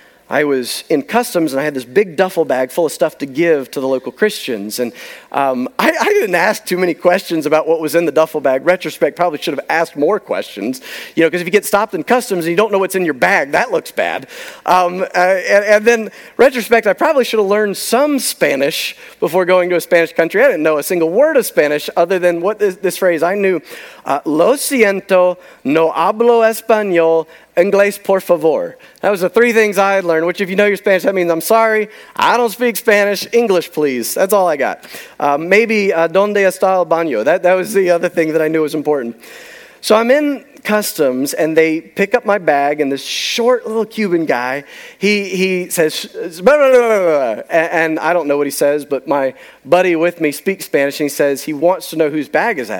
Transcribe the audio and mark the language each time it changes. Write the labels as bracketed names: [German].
[English] I was in customs, and I had this big duffel bag full of stuff to give to the local Christians, and I didn't ask too many questions about what was in the duffel bag. Retrospect, probably should have asked more questions, you know, because if you get stopped in customs and you don't know what's in your bag, that looks bad. And then, retrospect, I probably should have learned some Spanish before going to a Spanish country. I didn't know a single word of Spanish other than what this phrase. [Spanish] I knew, lo siento, no hablo español, inglés, por favor. [English] That was the three things I had learned, which if you know your Spanish, that means I'm sorry, I don't speak Spanish, English, please. That's all I got. Maybe, [Spanish] ¿dónde está el baño? [English] That was the other thing that I knew was important. So I'm in customs, and they pick up my bag, and this short little Cuban guy, he says, blah, blah, blah, blah, and I don't know what he says, but my buddy with me speaks Spanish, and he says he wants to know whose bag is that.